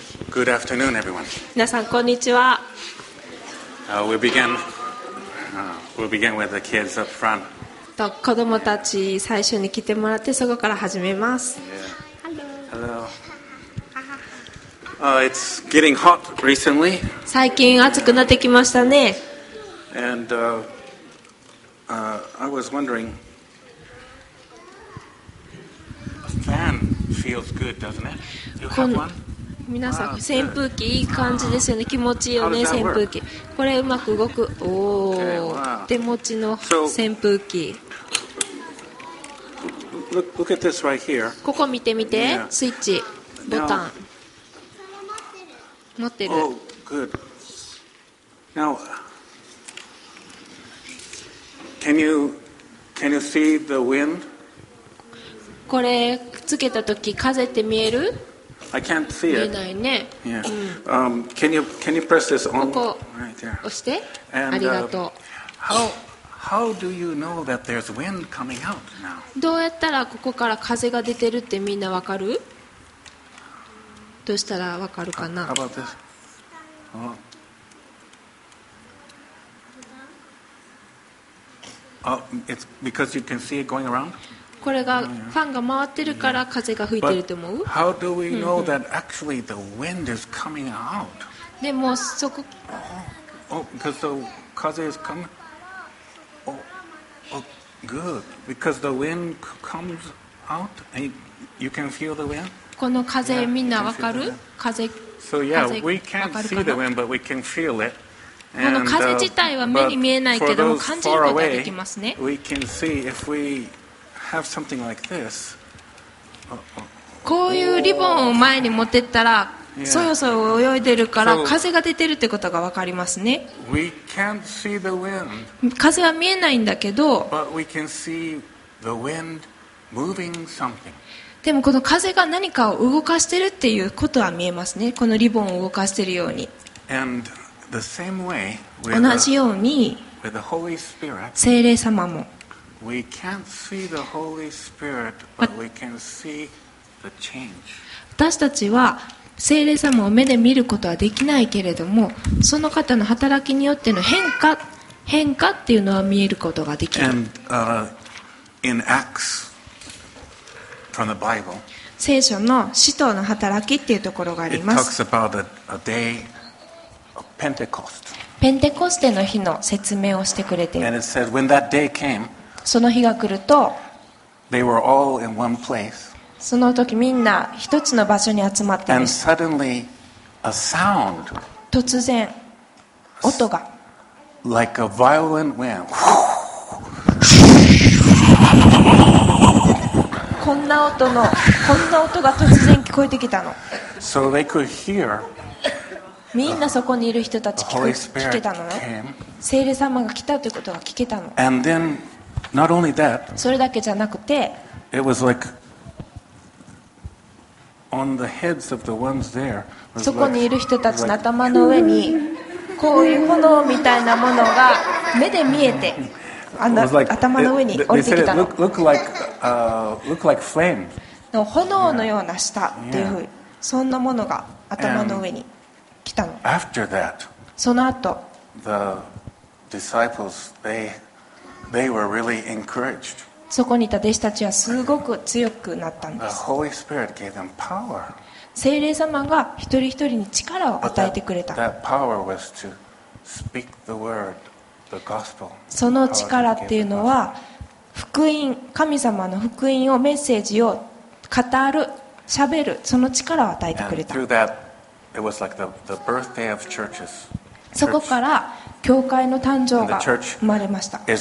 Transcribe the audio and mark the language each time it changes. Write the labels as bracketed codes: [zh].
[en] Good afternoon, everyone. [ja] 皆さん、こんにちは。 [en] We'll begin with the kids up front. [ja] と子供たち最初に来てもらって、そこから始めます。 [en] Yeah. Hello. It's getting hot recently. [ja] 最近暑くなってきましたね。 [en] And I was wondering, a fan feels good, doesn't it? You have one? [ja] 皆さん、扇風機いい感じですよね。気持ちいいよね、扇風機。これうまく動く。おお、手持ちの扇風機。 [en] Look at this right here. [ja] ここ見てみて、スイッチ、ボタン。持ってる。 [en] Oh, good. Now, can you see the wind? [ja] これつけたとき風って見える？ [en] I can't see it. [ja] 見えないね。 [en] Yeah. Can you press this on? [ja] ここ、押して。 [en] And, [ja] ありがとう。 [en] How do you know that there's wind coming out now? [ja] どうやったらここから風が出てるってみんなわかる？どうしたらわかるかな？ [en] How about this? It's because you can see it going around? [ja] これがファンが回ってるから風が吹いてると思う。 [en] How do we know that actually the wind is coming out? [ja] でもそこ、 [en] because the [ja] 風 [en] is coming. Oh, good. Because the wind comes out and you can feel the wind. [ja] この風みんなわかる？風。 [en] So yeah, we can't see the wind, but we can feel it. [ja] この風自体は目に見えないけども感じることができますね。 [en] We can see if we. Have something like this. [ja] こういうリボンを前に持ってったら、そよそよ泳いでるから風が出てるってことが分かりますね。 [en] We can't see the wind. [ja] 風は見えないんだけど、 [en] But we can see the wind moving something. [ja] でもこの風が何かを動かしてるっていうことは見えますね。このリボンを動かしてるように。 [en] And the same way, [ja] 同じように、 [en] with the Holy Spirit, [ja] 聖霊様も。 [en] We can't see the Holy Spirit, but we can see the change. [ja] 私たちは聖霊様を目で見ることはできないけれども、その方の働きによっての変化っていうのは見えることができる。 [en] And, in Acts, from the Bible, [ja] 聖書の使徒の働きっていうところがあります。 [en] It talks about a day of Pentecost. [ja] ペンテコステの日の説明をしてくれている。 [en] And it said, when that day came, [ja] その日が来ると [en] They were all in one place. [ja] その時みんな一つの場所に集まっている [en] And suddenly, a sound, [ja] 突然音が [en] like a violent wind. [ja] こんな音が突然聞こえてきたの [en] so they could hear, [ja] みんなそこにいる人たち聞けたの、ね、聖霊様が来たということが聞けたの [en] And thenNot only that, [ja] それだけじゃなくて、 [en] it was like on the heads of the ones there, [ja] そこにいる人たちの頭の上に、こういう炎みたいなものが目で見えて、あの頭の上に降りてきたの。 [en] They said it looked like flame. [ja] の炎のような舌っていうふうに、そんなものが頭の上に来たの。 [en] After that, [ja] その後、 [en] the disciples they were really encouraged. [ja] そこにいた弟子たちはすごく強くなったんです。 [en] The Holy Spirit gave them power. [ja] 聖霊様が一人一人に力を与えてくれた。 [en] That power was to speak the word, the gospel. [ja] その力っていうのは福音、神様の福音をメッセージを語る、喋る、その力を与えてくれた。 [en] And through that, it was like the birthday of churches. [ja] そこから教会の誕生が生まれました。